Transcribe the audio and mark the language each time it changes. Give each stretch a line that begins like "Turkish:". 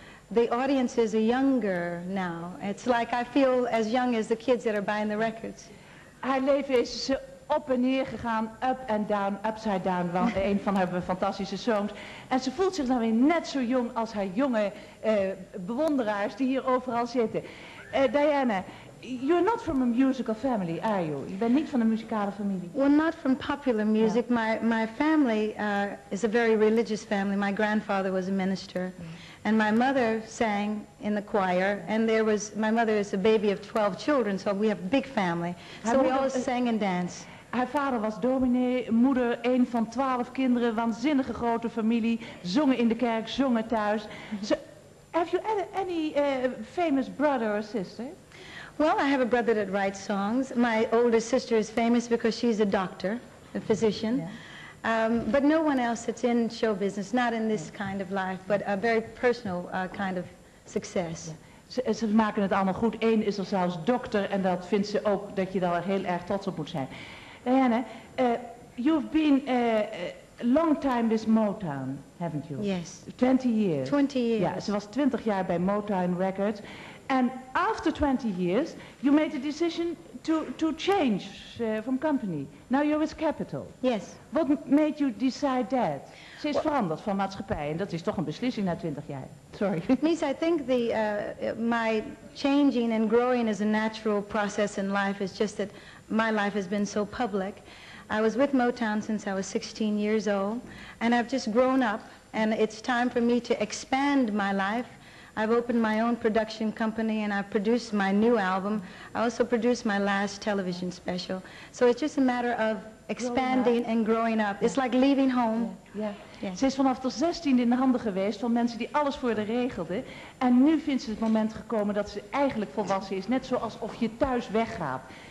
English: The audiences are younger now. It's like I feel as young as the kids that are buying the records.
Dutch: Haar leven is op en neer gegaan,
English: up and down, upside down,
Dutch: want een van haar fantastische songs. En ze voelt zich dan weer net zo jong als haar jonge bewonderaars die hier overal zitten.
English: Diana. You're not from a musical family, are you?
Dutch: You bent niet van een muzikale familie.
English: Well, not from popular music. Yeah. My family is a very religious family. My grandfather was a minister. Mm. And my mother sang in the choir. And my mother is a baby of 12 children, so we have a big family. So we all sang and danced.
Dutch: Haar vader was dominee, moeder een van 12 kinderen, waanzinnige grote familie, zongen in de kerk, zongen thuis.
English: So, have you any famous brother or sister? Well, I have a brother that writes songs. My older sister is famous because she's a doctor, a physician. Yeah. But no one else that's in show business, not in this kind of life, but a very personal kind of success. Yeah.
Dutch: Ze maken het allemaal goed. Eén is er zelfs dokter en dat vindt ze ook dat je daar heel erg trots op moet zijn.
English: Diana, you've been a long time with Motown, haven't you? Yes. 20 years. 20 years.
Dutch: Ja, ze was 20 jaar bij Motown Records.
English: And after 20 years, you made a decision to change from company. Now you're with Capital. Yes. What made you decide that?
Dutch: Ze is veranderd van maatschappij en dat is toch een beslissing na 20 jaar.
English: Sorry. Mies, I think my changing and growing is a natural process in life. It's just that my life has been so public. I was with Motown since I was 16 years old. And I've just grown up and it's time for me to expand my life. I've opened my own production company and I've produced my new album. I also produced my last television special. So it's just a matter of expanding and growing up. Yeah. It's like leaving home. Yeah. Yeah.
Dutch: Yeah. Ze is vanaf de 16 in de handen geweest van mensen die alles voor de regelden. En nu vindt ze het moment gekomen dat ze eigenlijk volwassen is. Net zoals of je thuis weggaat.